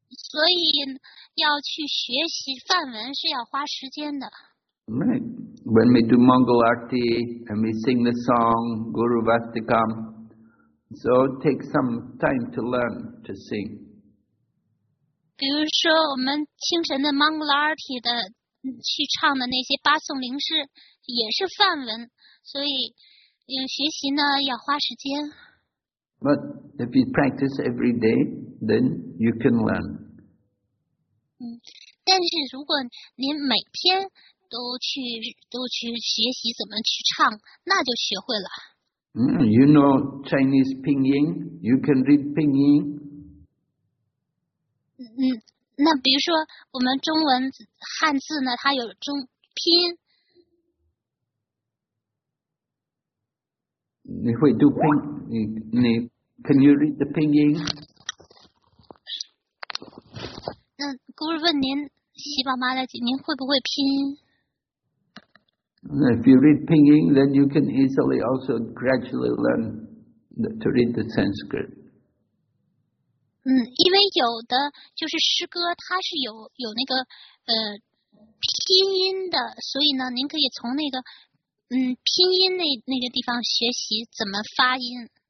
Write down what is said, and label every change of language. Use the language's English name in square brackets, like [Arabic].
[Chinese] 所以要去学习梵文是要花时间的。 [English] Right. When we do Mangal Arti and we sing the song Guru Vastikam, so it takes some time to learn to sing. [Chinese] 比如说我们清晨的 Mangal Arti 的去唱的那些八颂灵诗也是梵文，所以学习呢要花时间。 [English] But if you practice every day, then you can learn. [Chinese] 但是如果您每天都去学习怎么去唱，那就学会了。 [English] You know Chinese pinyin, you can read pinyin. [Chinese] 那比如说我们中文汉字呢，它有中拼。你会读拼？你 [English] can you read the pinyin？ [Chinese] 那姑姑问您，喜宝妈的姐，您会不会拼音？ [English] If you read pinyin, then you can easily also gradually learn to read the Sanskrit. [Chinese] 因为有的就是诗歌，它是有那个拼音的，所以呢，您可以从那个拼音那个地方学习怎么发音。